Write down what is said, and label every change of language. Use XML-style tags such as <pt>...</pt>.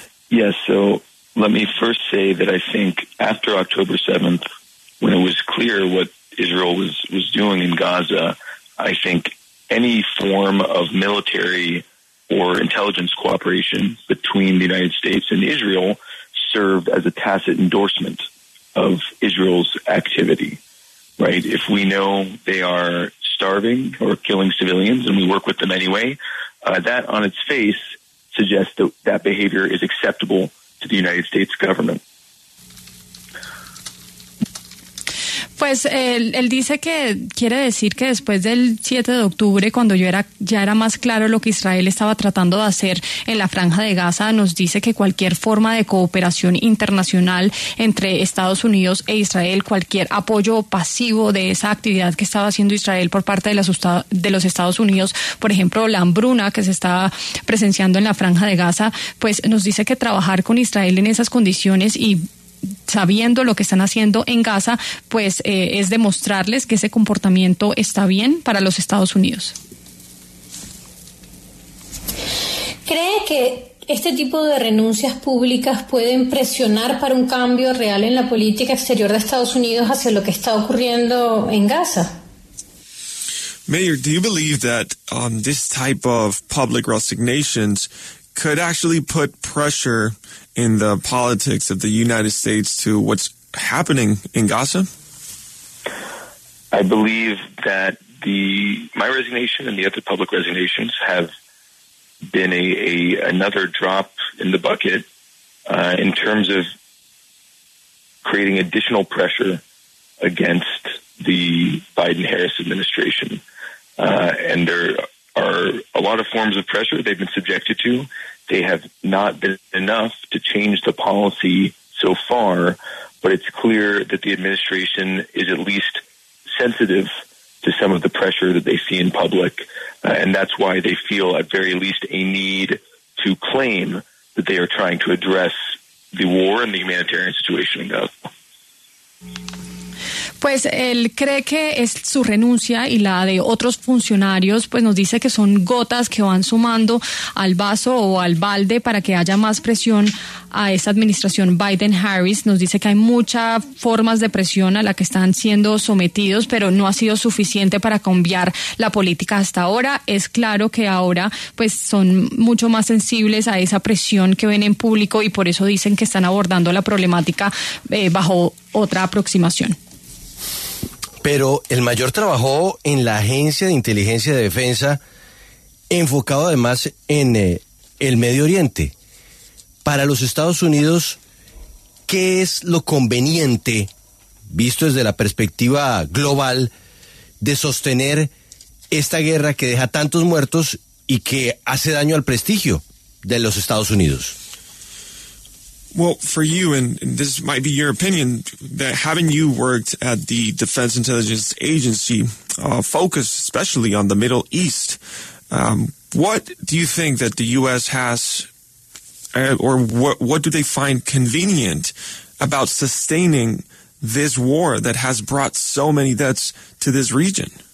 <en>Yes, so let me first say that I think after October 7th, when it was clear what Israel was doing in Gaza, I think any form of military or intelligence cooperation between the United States and Israel served as a tacit endorsement of Israel's activity. right? If we know they are starving or killing civilians and we work with them anyway, that on its face suggests that that behavior is acceptable to the United States government.</en> <es>Pues él dice que quiere decir que después del 7 de octubre, cuando ya era más claro lo que Israel estaba tratando de hacer en la Franja de Gaza, nos dice que cualquier forma de cooperación internacional entre Estados Unidos e Israel, cualquier apoyo pasivo de esa actividad que estaba haciendo Israel por parte de los Estados Unidos, por ejemplo, la hambruna que se estaba presenciando en la Franja de Gaza, pues nos dice que trabajar con Israel en esas condiciones y sabiendo lo que están haciendo en Gaza, pues es demostrarles que ese comportamiento está bien para los Estados Unidos. ¿Cree que este tipo de renuncias públicas pueden presionar para un cambio real en la política exterior de Estados Unidos hacia lo que está ocurriendo en Gaza?</es> <en>Mayor, do you believe that this type of public resignations could actually put pressure in the politics of the United States to what's happening in Gaza? I believe that my resignation and the other public resignations have been another drop in the bucket in terms of creating additional pressure against the Biden-Harris administration. And there are a lot of forms of pressure they've been subjected to. They have not been enough to change the policy so far, but it's clear that the administration is at least sensitive to some of the pressure that they see in public, and that's why they feel at very least a need to claim that they are trying to address the war and the humanitarian situation in Gaza.</en> <es>Pues él cree que es su renuncia y la de otros funcionarios, pues nos dice que son gotas que van sumando al vaso o al balde para que haya más presión a esta administración Biden-Harris. Nos dice que hay muchas formas de presión a la que están siendo sometidos, pero no ha sido suficiente para cambiar la política hasta ahora. Es claro que ahora pues son mucho más sensibles a esa presión que ven en público y por eso dicen que están abordando la problemática bajo otra aproximación. Pero el mayor trabajó en la Agencia de Inteligencia de Defensa, enfocado además en el Medio Oriente. Para los Estados Unidos, ¿qué es lo conveniente, visto desde la perspectiva global, de sostener esta guerra que deja tantos muertos y que hace daño al prestigio de los Estados Unidos?</es> <en>Well, for you, and this might be your opinion, that having you worked at the Defense Intelligence Agency, focused especially on the Middle East, what do you think that the U.S. has, or what do they find convenient about sustaining this war that has brought so many deaths to this region?</en>